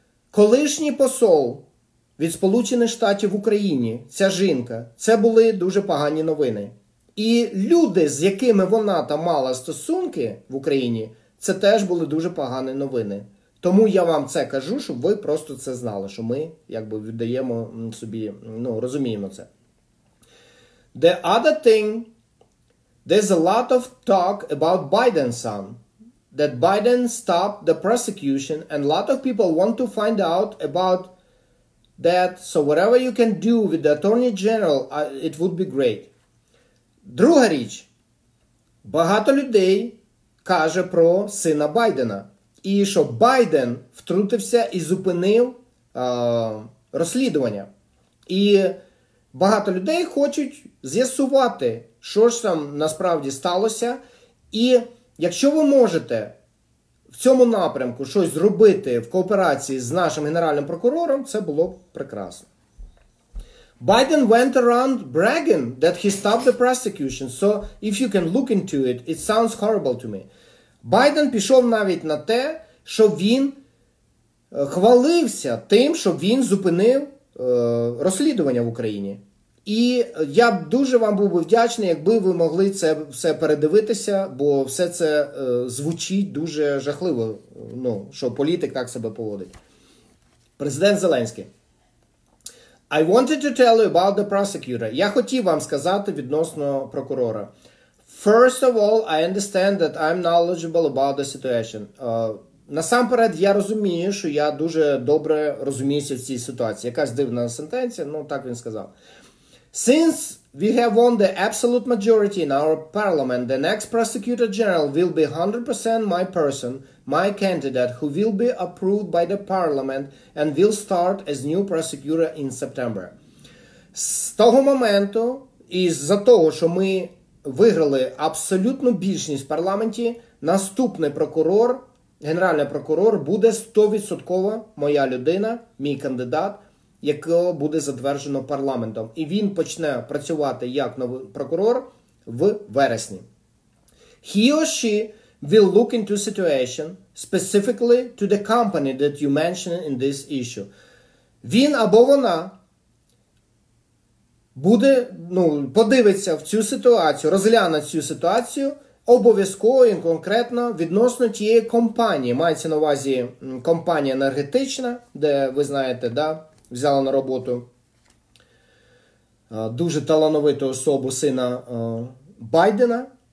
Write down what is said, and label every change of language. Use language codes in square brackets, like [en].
[uk] Колишній посол від Сполучених Штатів в Україні, ця жінка, це були дуже погані новини. І люди, з якими вона там мала стосунки в Україні, це теж були дуже погані новини. Тому я вам це кажу, щоб ви просто це знали, що ми якби віддаємо собі, ну, розуміємо це. [en] The other thing, there's a lot of talk about Biden's son, that Biden stopped the prosecution, and a lot of people want to find out about that, so whatever you can do with the Attorney General, it would be great. [uk] Друга річ, багато людей каже про сина Байдена. І що Байден втрутився і зупинив розслідування. І багато людей хочуть з'ясувати, що ж там насправді сталося. І якщо ви можете в цьому напрямку щось зробити в кооперації з нашим генеральним прокурором, це було б прекрасно. [en] Biden went around bragging that he stopped the prosecution. So if you can look into it, it sounds horrible to me. [uk] Байден пішов навіть на те, що він хвалився тим, що він зупинив розслідування в Україні. І я б дуже вам був би вдячний, якби ви могли це все передивитися, бо все це звучить дуже жахливо, ну, що політик так себе поводить. Президент Зеленський. [en] I wanted to tell you about the prosecutor. [uk] Я хотів вам сказати відносно прокурора. [en] First of all, I understand that I'm knowledgeable about the situation. [uk] Насамперед, я розумію, що я дуже добре розуміюся в цій ситуації. Якась дивна сентенція, ну так він сказав. [en] Since we have won the absolute majority in our parliament, the next prosecutor general will be 100% my person, my candidate, who will be approved by the parliament and will start as new prosecutor in September. [uk] З того моменту, і з-за того, що ми виграли абсолютну більшість в парламенті, наступний прокурор, генеральний прокурор, буде 100% моя людина, мій кандидат, якого буде затверджено парламентом. І він почне працювати як новий прокурор в вересні. [en] He or she will look into situation specifically to the company that you mentioned in this issue. [uk] Він або вона буде, ну, подивиться в цю ситуацію, розгляне цю ситуацію обов'язково і конкретно відносно тієї компанії. Мається на увазі компанія енергетична, де, ви знаєте, да, взяла на роботу дуже талановиту особу, сина Байдена.